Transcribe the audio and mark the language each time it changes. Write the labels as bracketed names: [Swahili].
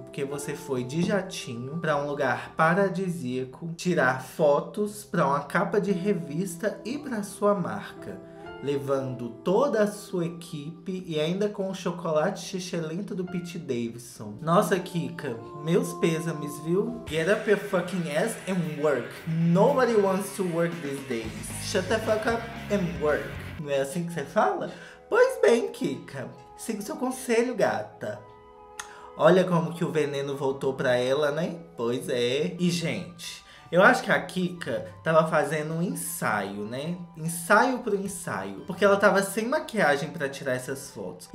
[Portuguese] Porque você foi de jatinho pra um lugar paradisíaco. Tirar fotos pra uma capa de revista e pra sua marca. Levando toda a sua equipe e ainda com o chocolate xixelento do Pete Davidson. Nossa, Kika, meus pêsames, viu? [English] Get up your fucking ass and work. Nobody wants to work these days. Shut the fuck up and work. [Portuguese] Não é assim que você fala? Pois bem, Kika, siga seu conselho, gata. Olha como que o veneno voltou pra ela, né? Pois é. E, gente, eu acho que a Kika tava fazendo um ensaio, né? Ensaio pro ensaio. Porque ela tava sem maquiagem pra tirar essas fotos.